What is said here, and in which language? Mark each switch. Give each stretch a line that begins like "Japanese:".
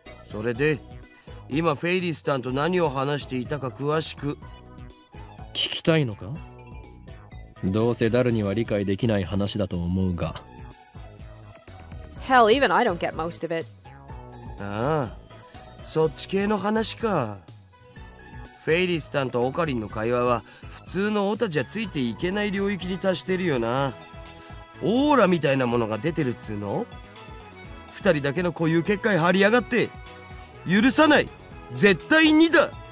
Japanese: それで、今フェイリスさんと何を話していたか詳しく。聞きたいのか? どうせダルには理解できない話だと思うが。
English: Hell, even I don't get most of it.
Japanese: ああ、そっち系の話か。フェイリスさんとオカリンの会話は普通のオタじゃついていけない領域に達してるよな。オーラみたいなものが出てるっつうの?二人だけの固有結界張り上がって。許さない。絶対にだ。